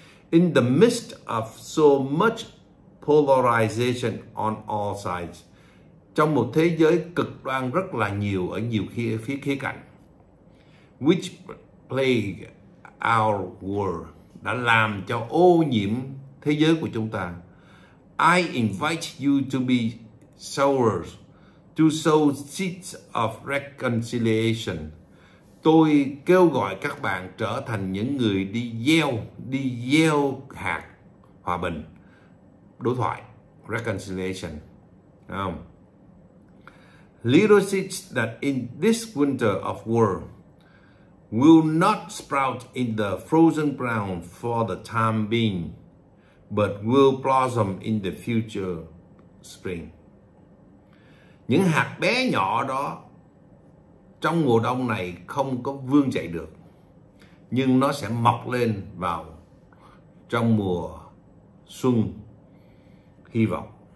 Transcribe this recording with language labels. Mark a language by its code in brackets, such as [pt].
[en] In the midst of so much polarization on all sides, [vi] trong một thế giới cực đoan rất là nhiều ở nhiều khía cạnh, [en] which plague our world, [vi] đã làm cho ô nhiễm thế giới của chúng ta. [en] I invite you to be sowers, to sow seeds of reconciliation. [vi] Tôi kêu gọi các bạn trở thành những người đi gieo hạt hòa bình, đối thoại, reconciliation. Không? [en] Little seeds that in this winter of war will not sprout in the frozen ground for the time being, but will blossom in the future spring. [vi] Những hạt bé nhỏ đó trong mùa đông này không có vươn dậy được, nhưng nó sẽ mọc lên vào trong mùa xuân hy vọng.